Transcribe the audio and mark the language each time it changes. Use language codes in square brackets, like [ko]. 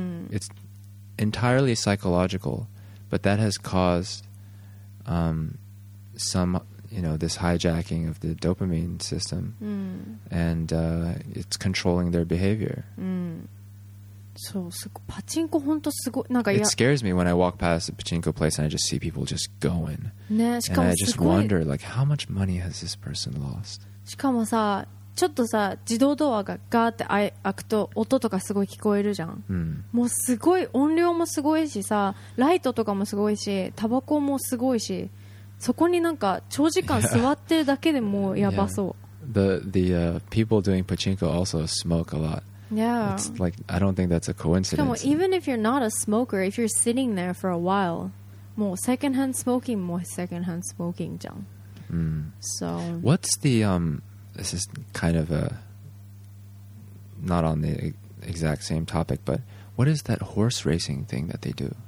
[en] It's entirely psychological, but that has caused some, you know, this hijacking of the dopamine system, and it's controlling their behavior. [ja] So, pachinko, 本当すごい。なんか [en] it scares me when I walk past a pachinko place and I just see people just going. [ja] ね、しかもすごい。 And I just wonder, like, how much money has this person lost? しかもさ、ちょっとさ自動ドアがガーって開くと音とかすごい聞こえるじゃん、うん、もうすごい音量もすごいしさ、ライトとかもすごいし、タバコもすごいし、そこになんか長時間座ってるだけでもうやばそう、 [en] yeah. The people doing pachinko also smoke a lot. Yeah. It's like, I don't think that's a coincidence. しかも even if you're not a smoker, if you're sitting there for a while, もう secondhand smoking も secondhand smoking じゃん、 [ja] うん、 [en] So what's the This is kind of a not on the exact same topic, but what is that horse racing thing that they do?